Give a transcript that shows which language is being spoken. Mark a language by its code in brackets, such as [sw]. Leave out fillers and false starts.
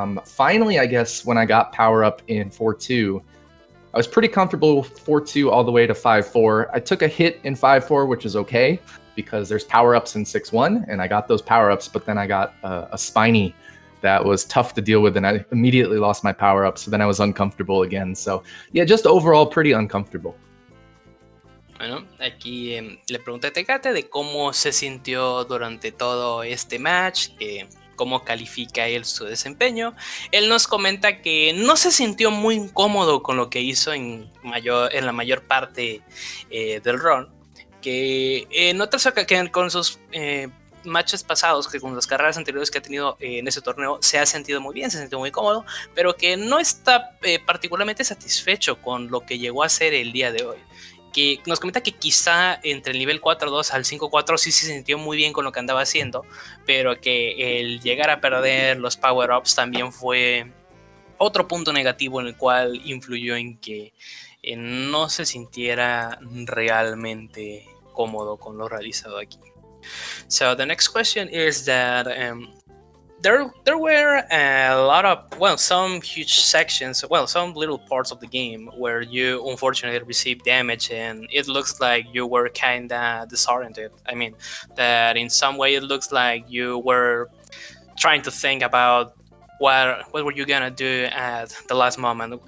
[en] Finally, I guess when I got power up in 4-2, I was pretty comfortable with 4-2 all the way to 5-4. I took a hit in 5-4, which is okay, because there's power-ups in 6-1, and I got those power-ups, but then I got a spiny that was tough to deal with, and I immediately lost my power-up, so then I was uncomfortable again. So, yeah, just overall pretty uncomfortable. [es] Bueno, aquí le pregunté a Tecate de cómo se sintió durante todo este match, cómo califica él su desempeño. Él nos comenta que no se sintió muy incómodo con lo que hizo en la mayor parte del run, que en otras ocasiones con sus matches pasados, que con las carreras anteriores que ha tenido en ese torneo, se ha sentido muy bien, se ha sentido muy cómodo, pero que no está particularmente satisfecho con lo que llegó a ser el día de hoy. Que nos comenta que quizá entre el nivel 4-2 al 5-4 sí se sintió muy bien con lo que andaba haciendo, pero que el llegar a perder los power-ups también fue otro punto negativo en el cual influyó en que no se sintiera realmente cómodo con lo realizado aquí. [en] So the next question is that there were a lot of, well, some huge sections, well, some little parts of the game where you unfortunately received damage and it looks like you were kind of disoriented. I mean, that in some way it looks like you were trying to think about what were you gonna do at the last moment.